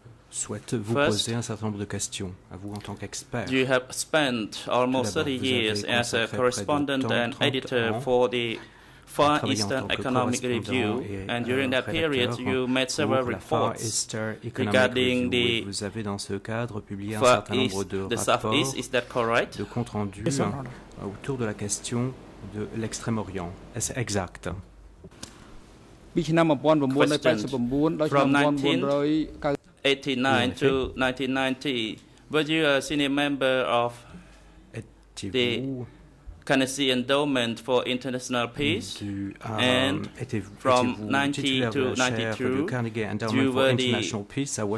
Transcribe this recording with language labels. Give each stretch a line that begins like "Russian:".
French: Souhaite-vous poser un certain nombre de questions à vous en tant qu'expert.
English: You have spent almost 30 years as a correspondent and editor for the Far Eastern Economic Review, and during that period, you made several reports regarding the
French: vous avez dans ce cadre publié un certain nombre de rapports,
English: is that correct?
French: De compte rendu autour de la question de l'Extrême-Orient. Est-ce exact? Question.
English: From 1989 to 1990, were you a senior member of the Carnegie Endowment for International Peace, and from 1992, you were the